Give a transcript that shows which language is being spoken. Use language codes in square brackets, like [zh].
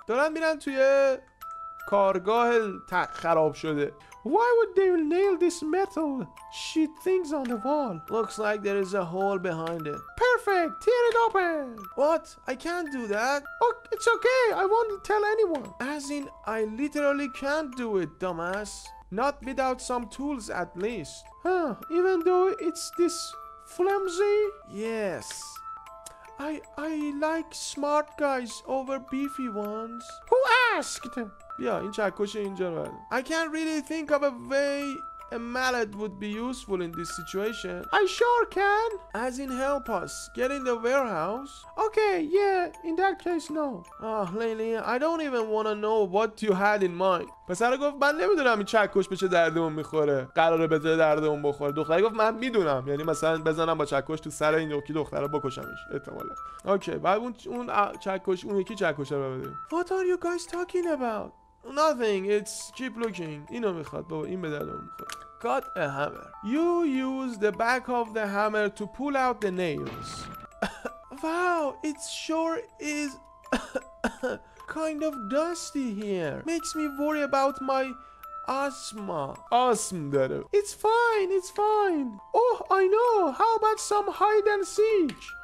[fa] دارن میرن توی کارگاه خراب شده. [en] Why would they nail this metal sheet things on the wall? Looks like there is a hole behind it. Perfect! Tear it open! What? I can't do that. Oh, it's okay. I won't tell anyone. As in, I literally can't do it, dumbass. Not without some tools, at least. Huh, even though it's this flimsy? Yes. I like smart guys over beefy ones. Who asked? [fa] Yeah, این چکش اینجا رو بده. [en] I can't really think of a way a mallet would be useful in this situation. I sure can. As in help us get in the warehouse. Okay, yeah, in that case, no. Oh, Leyley, I don't even want to know what you had in mind. [fa] پسر گفت من نمیدونم این چکش به چه دردمون میخوره. قراره به چه دردمون بخوره. دختر گفت من میدونم. یعنی مثلا بزنم با چکش تو سر این یکی دختر رو بکشمش. احتمالا. Okay, بعد اون چکش اون یکی چکش رو بده. [en] What are you guys talking about? Nothing, it's cheap looking. [fa] اینو میخواد بابا این به دردمون میخوره. [en] Got a hammer. You use the back of the hammer to pull out the nails. Wow, it sure is kind of dusty here. Makes me worry about my asthma. [fa] Asthma داره. [en] It's fine. Oh, I know. How about some hide and seek?